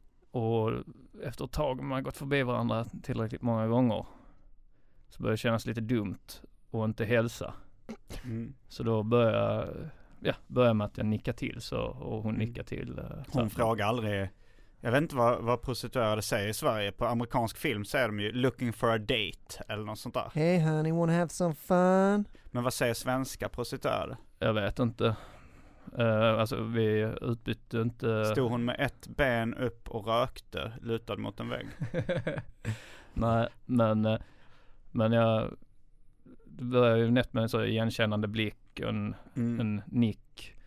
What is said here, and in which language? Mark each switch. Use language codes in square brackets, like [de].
[sv] Och efter ett tag, man har gått förbi varandra tillräckligt många gånger, så började det kännas lite dumt och inte hälsa. Mm. Så då började med att jag nickade till så, och hon nickade till. Hon frågar aldrig, jag vet inte vad prostituerade säger i Sverige. På amerikansk film säger de ju [en] looking for a date [sv] eller något sånt där. [en] Hey honey, wanna have some fun? [sv] Men vad säger svenska prostituerade? Jag vet inte. Alltså vi utbytte inte. Stod hon med ett ben upp och rökte, lutad mot en vägg? Nej, men jag började ju nätt med en så igenkännande blick och en nick.